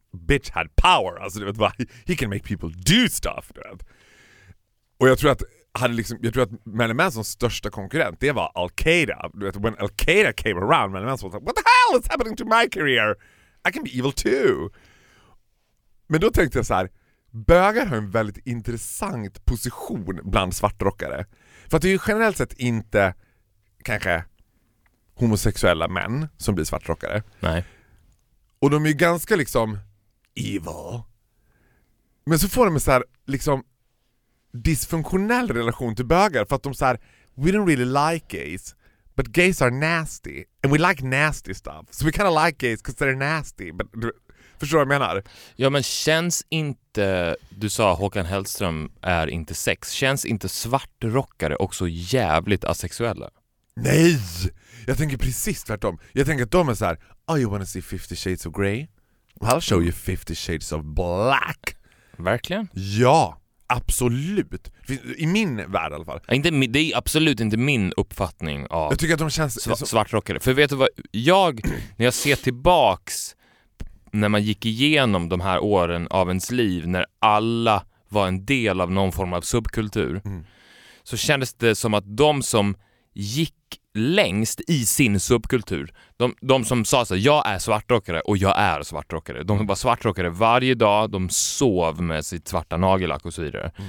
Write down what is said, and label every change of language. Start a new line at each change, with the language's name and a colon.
English: Bitch had power,
Swedish: alltså det var,
English: he can make people do stuff,
Swedish: du vet. Och jag tror att hade liksom, jag tror att Marilyn Mansons största konkurrent, det var Al-Qaeda, du vet.
English: When Al-Qaeda came around, Marilyn Manson was like, what the hell is happening to my career? I can be evil too.
Swedish: Men då tänkte jag så här, bögar har en väldigt intressant position bland svartrockare. För att det är ju generellt sett inte kanske homosexuella män som blir svartrockare. Nej. Och de är ju ganska liksom evil. Men så får de en så här liksom dysfunktionell relation till bögar. För att de så här,
English: we don't really like gays, but gays are nasty. And we like nasty stuff. So we kind of like gays because they're nasty.
Swedish: But, förstår du vad jag menar? Ja, men känns inte, du sa Håkan Hellström är inte sex. Känns inte svartrockare också jävligt asexuella? Nej! Jag tänker precis tvärtom. Jag tänker att de är så här,
English: oh, you wanna see 50 shades of grey? Well, I'll show you 50 shades of black.
Swedish: Verkligen? Ja, absolut. I min värld i alla fall. Inte, det är absolut inte min uppfattning av, jag tycker att de känns svartrockare. För vet du vad, jag, när jag ser tillbaks när man gick igenom de här åren av ens liv, när alla var en del av någon form av subkultur, så kändes det som att de som gick längst i sin subkultur, de som sa så här, jag är svartrockare och jag är svartrockare, de var svartrockare varje dag, de sov med sitt svarta nagellack och så vidare.